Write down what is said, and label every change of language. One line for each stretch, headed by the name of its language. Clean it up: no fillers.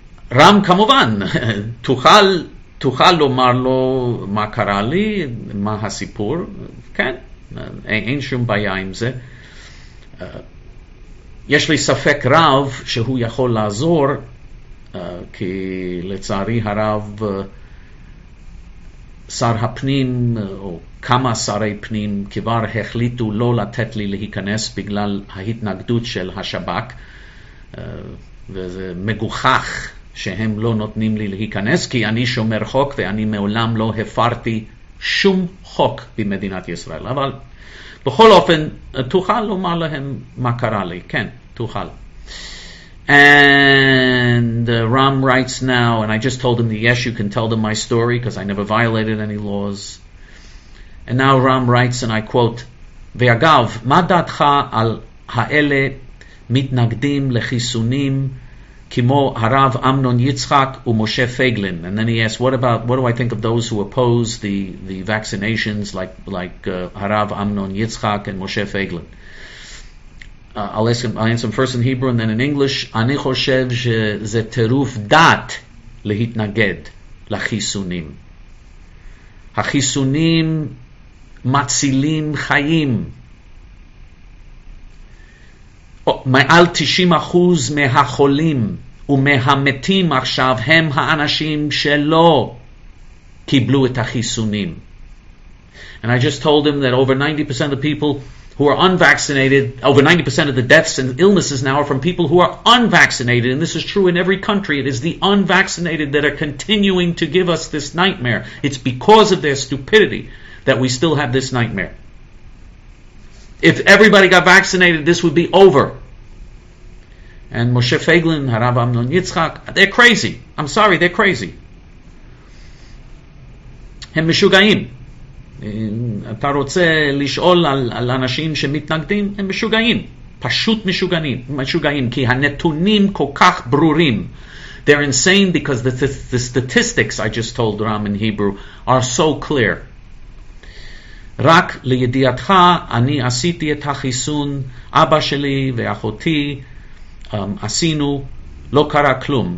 Hebrew: Ram, kamovan, Tuchal lomar lo ma kara li, ma hasipur, כן, אין שום בעיה עם זה. יש לי ספק רב שהוא יכול לעזור, כי לצערי הרב, שר הפנים, או כמה שרי פנים, כבר החליטו לא לתת לי להיכנס בגלל ההתנגדות של השבק, וזה מגוחך. שהם לא נותנים לי להיכנס, כי אני שומר חוק, ואני מעולם לא הפרתי שום חוק במדינת ישראל. אבל בכל אופן, תוכל לומר להם מה קרה לי. כן, תוכל.
English: And Ram writes now, and I just told him that yes, you can tell them my story, because I never violated any laws. And now Ram writes, and I quote,
Hebrew: ואגב, מה דעתך על האלה מתנגדים לחיסונים כמו הרב אמנון יצחק ומשה פייגלין?
English: And then he asks, what do I think of those who oppose the vaccinations like הרב אמנון יצחק and משה פייגלין? I'll answer him first in Hebrew and then in English.
Hebrew: אני חושב שזה טירוף דעת להתנגד לחיסונים. החיסונים מצילים חיים. מעל 90% מהחולים ומהמתים עכשיו הם האנשים שלא קיבלו את החיסונים.
English: And I just told him that over 90% of the people who are unvaccinated, over 90% of the deaths and illnesses now are from people who are unvaccinated, and this is true in every country. It is the unvaccinated that are continuing to give us this nightmare. It's because of their stupidity that we still have this nightmare. If everybody got vaccinated, this would be over. And Moshe Feiglin, Harav Amnon Yitzchak, they're crazy. I'm sorry, they're crazy.
Hebrew: Hem Meshugaim. אתה רוצה לשאול על, על אנשים שמתנגדים, הם משוגעים, פשוט משוגעים, משוגעים, כי הנתונים כל כך ברורים.
English: They're insane because the statistics I just told Ram in Hebrew are so clear.
Hebrew: רק לידיעתך, אני עשיתי את החיסון, אבא שלי ואחותי עשינו, לא קרה כלום.